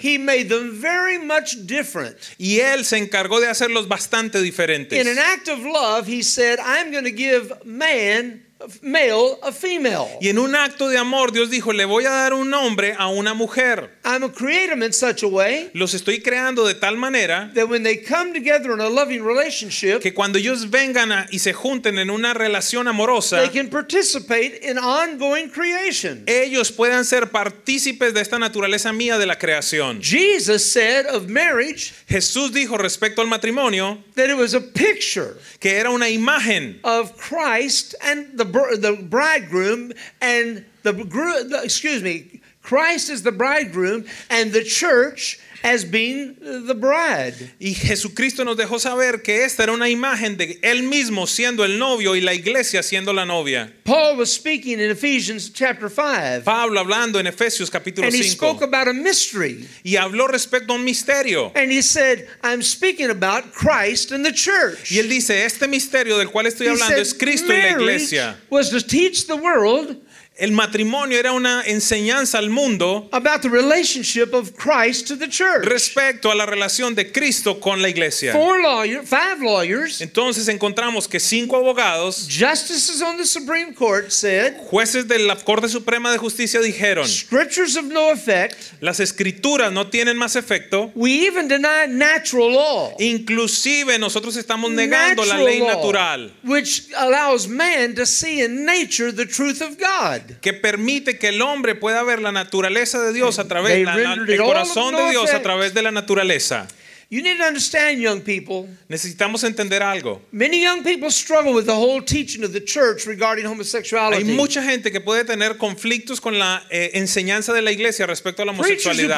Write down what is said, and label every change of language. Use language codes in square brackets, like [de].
[en] He made them very much different. [es] Y él se encargó de hacerlos bastante diferentes. [en] In an act of love, he said, I'm going to give man male a female. [es] Y en un acto de amor Dios dijo, le voy a dar un hombre a una mujer. [en] I'm a creator in such a way. [es] Los estoy creando de tal manera [en] that when they come together in a loving relationship, [es] que cuando ellos vengan y se junten en una relación amorosa, [en] they can participate in ongoing creation. [es] Ellos puedan ser partícipes de esta naturaleza mía de la creación. [en] Jesus said of marriage, [es] Jesús dijo respecto al matrimonio, [en] that it was a picture, [es] que era una imagen [en] of Christ and the bridegroom and the groom, excuse me, Christ is the bridegroom and the church as being the bride. [es] Y Jesucristo nos dejó saber que esta era una imagen de él mismo siendo el novio y la iglesia siendo la novia. [en] Paul was speaking in Ephesians chapter 5. [es] Pablo hablando en Efesios capítulo 5. [en] And he spoke about a mystery. [es] Y habló respecto a un misterio. [en] And he said, I'm speaking about Christ and the church. [es] Y él dice, este misterio del cual estoy hablando es Cristo y la iglesia. [en] Was to teach the world [es] El matrimonio era una enseñanza al mundo [en] about the relationship of Christ to the church. [es] Respecto a la relación de Cristo con la iglesia. [en] Five lawyers. [es] Entonces encontramos que cinco abogados, [en] justices on the Supreme Court said, [es] jueces de la Corte Suprema de Justicia dijeron, [en] scriptures have no effect. [es] Las escrituras no tienen más efecto. [en] We even deny natural law. [es] Inclusive nosotros estamos negando la ley natural, [en] which allows man to see in nature the truth of God. [es] Que permite que el hombre pueda ver la naturaleza de Dios a través del corazón de Dios a través de la naturaleza. [en] You need to understand, young people. [es] Necesitamos entender algo. [en] Many young people struggle with the whole teaching of the church regarding homosexuality. [es] Hay mucha gente que puede tener conflictos con la enseñanza de la iglesia respecto a la homosexualidad.